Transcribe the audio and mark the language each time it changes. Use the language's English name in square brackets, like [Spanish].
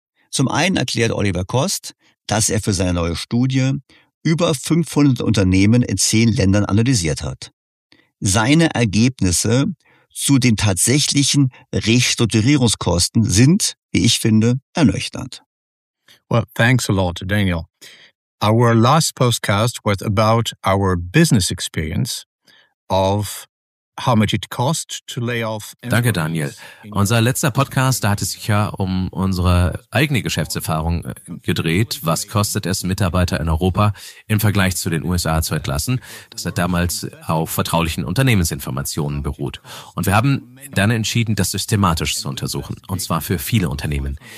[German] Zum einen erklärt Oliver Kost, dass er für seine neue Studie über 500 Unternehmen in 10 Ländern analysiert hat. Seine Ergebnisse zu den tatsächlichen Restrukturierungskosten sind, wie ich finde, ernüchternd. [English] Well, thanks a lot, Daniel. Our last podcast was about our business experience of how much it cost to lay off. [German] Danke, Daniel. Unser letzter Podcast, da hat es sich ja um unsere eigene Geschäftserfahrung gedreht. Was kostet es, Mitarbeiter in Europa im Vergleich zu den USA zu entlassen? Das hat damals auf vertraulichen Unternehmensinformationen beruht. Und wir haben dann entschieden, das systematisch zu untersuchen. Und zwar für viele Unternehmen.